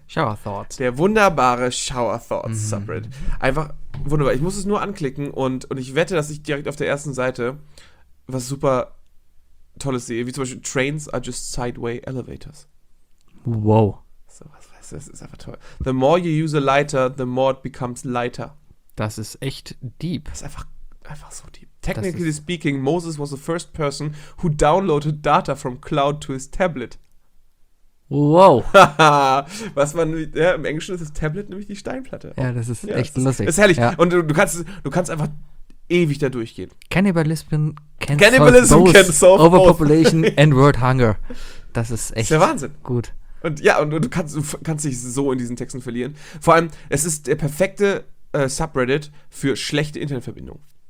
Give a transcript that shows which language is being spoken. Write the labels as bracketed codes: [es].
[en] Shower Thoughts. [de] Der wunderbare Shower Thoughts Subreddit. Einfach wunderbar. Ich muss es nur anklicken und ich wette, dass ich direkt auf der ersten Seite was super Tolles sehe, wie zum Beispiel [en] Trains are just sideway elevators. [de] Wow. So was weißt du, das ist einfach toll. [en] The more you use a lighter, the more it becomes lighter. [de] Das ist echt deep. Das ist einfach so deep. [en] Technically speaking, Moses was the first person who downloaded data from cloud to his tablet. [de] Wow. Was man, ja, im Englischen ist das Tablet nämlich die Steinplatte. Ja, das ist echt lustig. Das ist herrlich. Ja. Und du kannst einfach ewig da durchgehen. [en] Cannibalism can solve overpopulation and world hunger. [de] Das ist echt. Das ist der Wahnsinn. Gut. Und ja, und du kannst dich so in diesen Texten verlieren. Vor allem, es ist der perfekte Subreddit für schlechte Internetverbindung.